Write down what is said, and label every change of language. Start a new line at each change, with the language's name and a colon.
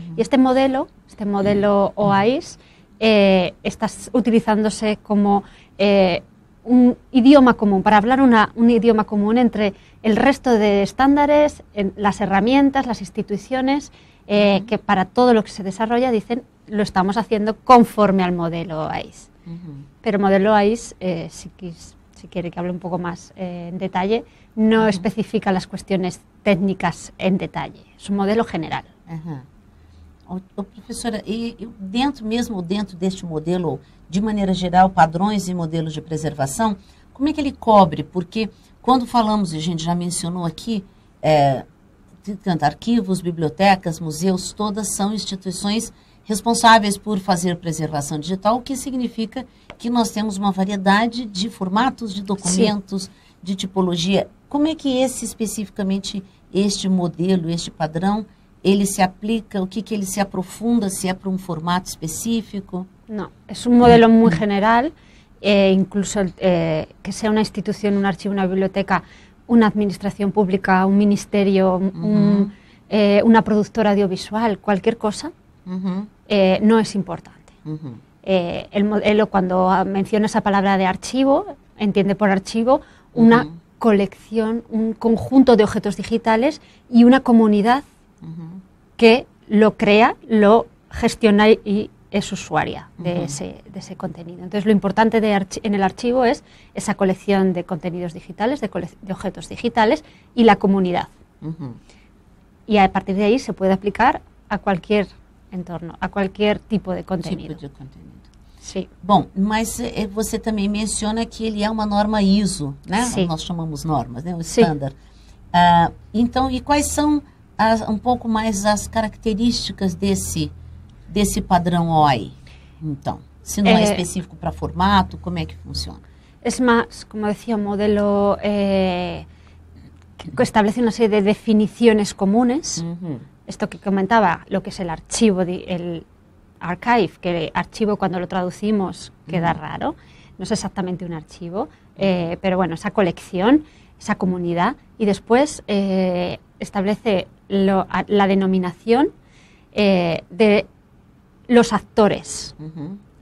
Spanish: Y este modelo OAIS, está utilizándose como un idioma común, para hablar un idioma común entre el resto de estándares, las herramientas, las instituciones, que para todo lo que se desarrolla dicen lo estamos haciendo conforme al modelo OAIS. Pero modelo OAIS, si quiere que hable un poco más en detalle, no especifica las cuestiones técnicas en detalle, es un modelo general.
Portuguese: Professora, dentro de este modelo, de maneira geral, padrões e modelos de preservação, como é que ele cobre? Porque quando falamos, e a gente já mencionou aqui, tanto arquivos, bibliotecas, museus, todas são instituições responsáveis por fazer preservação digital, o que significa que nós temos uma variedade de formatos, de documentos, de tipologia. Como é que esse, especificamente, este modelo, este padrão, ele se aplica, o que que ele se aprofunda, se é para um formato específico?
Spanish: No, es un modelo muy general, incluso que sea una institución, un archivo, una biblioteca, una administración pública, un ministerio, una productora audiovisual, cualquier cosa, no es importante. El modelo, cuando menciona esa palabra de archivo, entiende por archivo una colección, un conjunto de objetos digitales y una comunidad que lo crea, lo gestiona y es usuaria de ese contenido. Entonces, lo importante en el archivo es esa colección de contenidos digitales, de objetos digitales y la comunidad. Y a partir de ahí se puede aplicar a cualquier entorno, a cualquier tipo de contenido. Sí.
Portuguese: Bom, mas você também menciona que ele é uma norma ISO, né? Nós chamamos normas, né? Standard. Então, e quais são um pouco mais as características desse padrão OAI, então, se não é específico para formato, como é que funciona?
Spanish: es más, como decía, un modelo que establece una serie de definiciones comunes. Uh-huh. Esto que comentaba, lo que es el archivo, el archive, que el archivo cuando lo traducimos queda uh-huh. raro, no es exactamente un archivo, pero bueno, esa colección, esa comunidad, y después establece la denominación de los actores, uh-huh.